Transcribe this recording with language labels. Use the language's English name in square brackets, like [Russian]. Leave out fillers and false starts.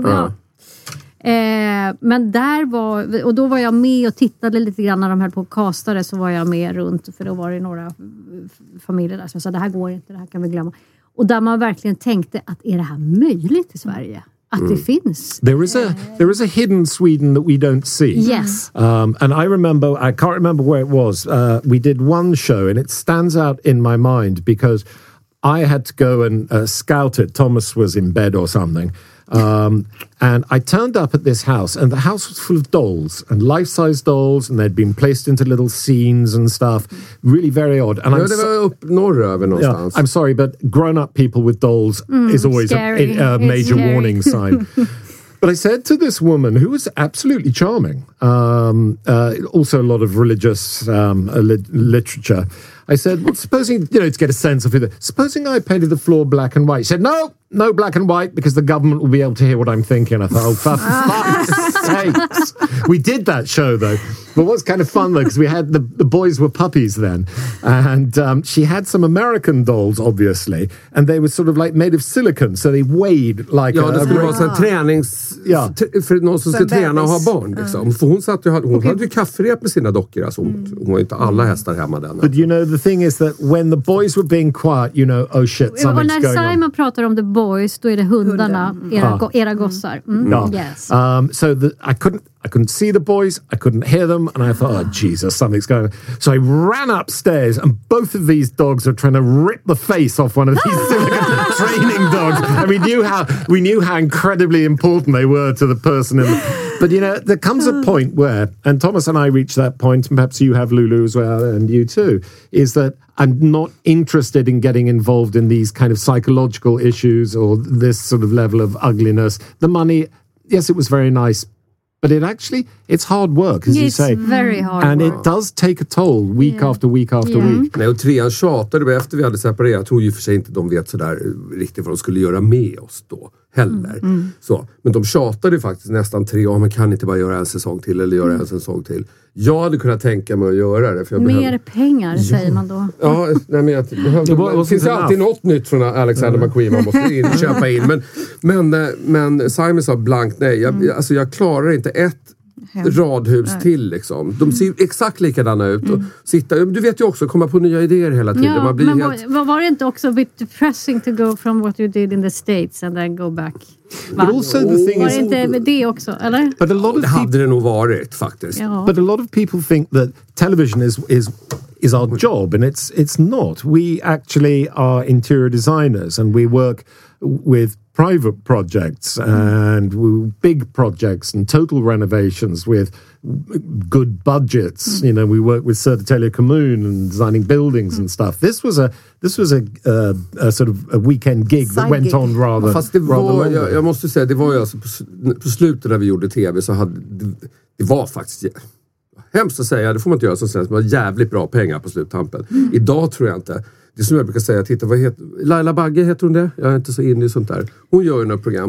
[Swedish] Ja. Men där var, och då var jag med och tittade lite grann när de här på kastade, så var jag med runt, för då var det några familjer där som sa, det här går inte, det här kan vi glömma. Och där man verkligen tänkte att, är det här möjligt i Sverige? Att det finns. [English] There is a hidden Sweden that we don't see. Yes. And I can't remember where it was. We did one show and it stands out in my mind because I had to go and scout it. Thomas was in bed or something. And I turned up at this house, and the house was full of dolls, and life-size dolls, and they'd been placed into little scenes and stuff. Really very odd. And no, I'm sorry, but grown-up people with dolls is always a major warning sign. But I said to this woman, who was absolutely charming, also a lot of religious literature, I said, well, supposing, you know, to get a sense of it, supposing I painted the floor black and white. She said, no black and white, because the government will be able to hear what I'm thinking. I thought, oh, for fuck's sakes. We did that show, though. But what's kind of fun, though, because we had the boys were puppies then, and she had some American dolls, obviously, and they were sort of like made of silicon, so they weighed like [Swedish] ja, det skulle vara så en tränings ja. För någon som ska träna och ha barn liksom. För hon satt och hon hade ju kafferep med sina dockor, alltså hon har inte alla hästar hemma den. [English] But you know, the thing is that when the boys were being quiet, you know, oh shit, something's going on. [Swedish] Och när Simon pratar om [English] the boys, [Swedish] då är det hundarna, era gossar. [English] So I couldn't see the boys, I couldn't hear them, and I thought, oh Jesus, something's going on. So I ran upstairs, and both of these dogs are trying to rip the face off one of these silicone training dogs. And we knew how incredibly important they were to the person. But you know, there comes a point where, and Thomas and I reach that point, and perhaps you have Lulu as well, and you too, is that I'm not interested in getting involved in these kind of psychological issues or this sort of level of ugliness. The money, yes, it was very nice, but it's hard work, as it's you say. It's very hard and work. It does take a toll week after week. [Swedish] Nej, och trean tjatade vi efter vi hade separerat. Jag tror ju för sig inte de vet sådär riktigt vad de skulle göra med oss då heller. Så, men de tjatade faktiskt nästan tre år. Man kan inte bara göra en säsong till eller göra en säsong till. Jag hade kunnat tänka mig att göra det. För jag mer pengar, säger man då. Ja, nej, men det finns alltid något nytt från Alexander McQueen man måste in, köpa in. Men Simon sa blankt nej. Jag klarar inte ett radhus till liksom. De ser exakt likadana ut och sitta. Du vet ju också, komma på nya idéer hela tiden. Ja, man blir helt... var det inte också [English] a bit depressing to go from what you did in the States and then go back? But also the thing is, but a lot of people, [Swedish] hade det nog varit faktiskt. Ja. [English] But a lot of people think that television is our job, and it's not. We actually are interior designers and we work with private projects and big projects and total renovations with good budgets. You know, we work with Södertälje kommun and designing buildings and stuff. This was a sort of a weekend gig side that went gig. On rather. [Swedish] Fast det [English] rather [Swedish] var, jag måste säga, det var ju alltså på slutet när vi gjorde TV så hade det var faktiskt hemskt att säga, det får man inte göra som sen, men var jävligt bra pengar på sluttampen. Idag tror jag inte. Det som jag brukar säga, titta, vad heter Laila Bagge, heter hon det? Jag är inte så inne i sånt där. Hon gör ju några program.